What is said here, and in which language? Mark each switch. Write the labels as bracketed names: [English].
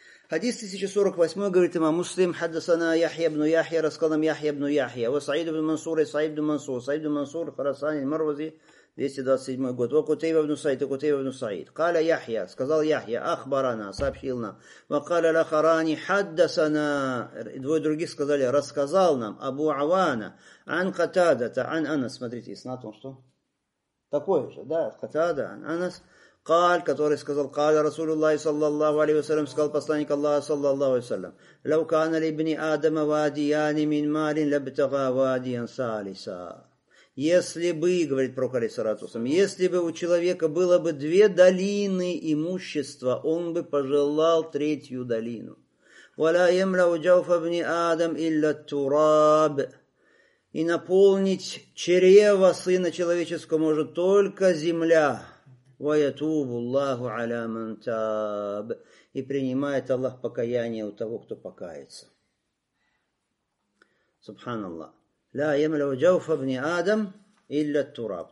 [Russian] Хадис 1048 говорит имам Муслим, хаддасана Яхья ибн Яхья, рассказал нам Яхья ибн Яхья, ва Саид ибн Мансур, и Саид ибн Мансур, Саид ибн Мансур, Харасани, Марвази, 227 год, ва Кутейба ибн Саид, и Кутейба ибн Саид, каля Яхья, сказал Яхья, ахбарана, сообщил нам, ва каля лахарани, хаддасана, и двое других сказали, рассказал нам, Абу Авана, ан Катадата, ан Анас, смотрите, иснат он что? Такой же, да, Катада, ан Анас, [Arabic] قال [Russian] который сказал [Arabic] قال رسول الله صلى الله عليه وسلم [Russian] сказал посланник Аллаха [Arabic] صلى الله عليه وسلم لو كان لابن آدم واديان من مال لابتغى واديا ثالثا. [Russian] Если бы, говорит пророк алейхи салату вассалям, если бы у человека было бы две долины имущества, он бы пожелал третью долину. [Arabic] ولا يملا جوف ابن آدم إلا التراب. [Russian] И наполнить чрево сына человеческого может только земля. [Arabic] وَيَتُوبُ اللَّهُ عَلَى مَنْ تَابَ. [Russian] И принимает Аллах покаяние у того, кто покается. [Arabic] Субханаллах. لَا يَمْلَوْ جَوْفَ بْنِ آدَمْ إِلَّا التُّرَابْ.